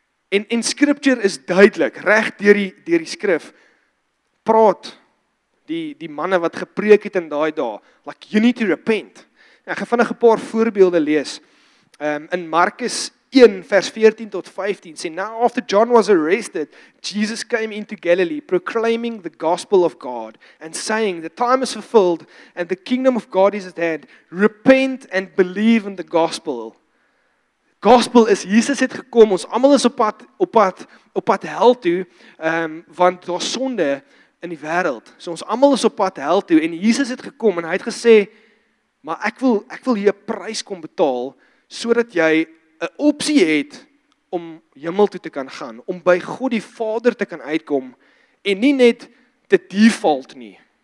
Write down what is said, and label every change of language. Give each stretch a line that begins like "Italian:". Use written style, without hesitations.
Afrikaans: En scripture is duidelik, recht deur die skrif, praat die manne wat gepreek het in daai dae, like,
English: you need to repent.
Afrikaans: Ek gaan vinnig 'n paar voorbeelde lees, in Markus
English: 1
Afrikaans: vers 14 tot 15 sê,
English: "Now after John was arrested, Jesus came into Galilee proclaiming the gospel of God and saying, 'The time is fulfilled and the kingdom of God is at hand. Repent and believe in the gospel.'"
Afrikaans: Gospel is, Jesus het gekom, ons allemaal is op pad hel toe, want daar is sonde in die wêreld. So ons allemaal is op pad hel toe en Jesus het gekom en hy het gesê, "Maar ek wil hier 'n prys kom betaal sodat jy 'n opsie het om hemel toe te kan gaan, om by God die Vader te kan uitkom en nie net te default nie."